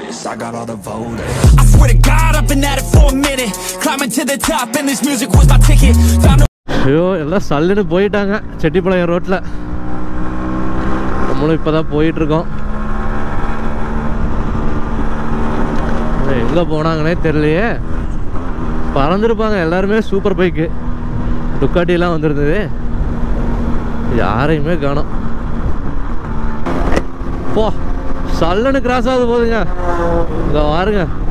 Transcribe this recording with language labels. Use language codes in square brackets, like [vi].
[en] I got all the voters. I swear to God, I've been at it for a minute. Climbing to the top, and this music was my ticket. [ta] Found ஐயோ எல்லாம் சல்லுன்னு போயிட்டாங்க செட்டிப்பாளையம் ரோட்டில் நம்மளும் இப்போ தான் போயிட்டுருக்கோம் எங்கே போனாங்கன்னே தெரியலையே பறந்துருப்பாங்க எல்லாருமே சூப்பர் பைக்கு டுக்காட்டிலாம் வந்துருந்தது யாரையுமே காணோம் போ சல்லுன்னு கிராஸ் ஆகுது போதுங்க இங்கே பாருங்க